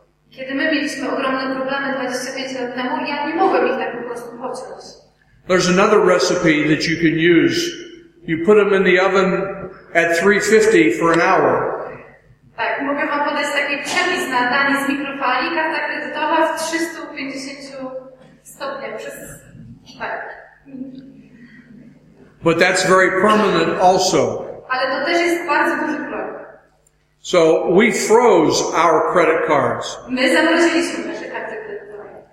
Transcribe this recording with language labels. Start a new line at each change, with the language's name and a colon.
Polish: Kiedy my mieliśmy ogromne problemy 25 lat temu, ja nie mogłem ich tak po prostu pociąć.
English: There's another recipe that you can use. You put them in the oven at 350 for an hour.
Polish: Tak, mogę wam podać taki przepis na danie z mikrofali, karta kredytowa w 350 stopniach przez... Tak.
English: But that's very permanent also.
Polish: Ale to też jest bardzo duży krok.
English: So we froze our credit cards.
Polish: My zamroziliśmy nasze karty kredytowe.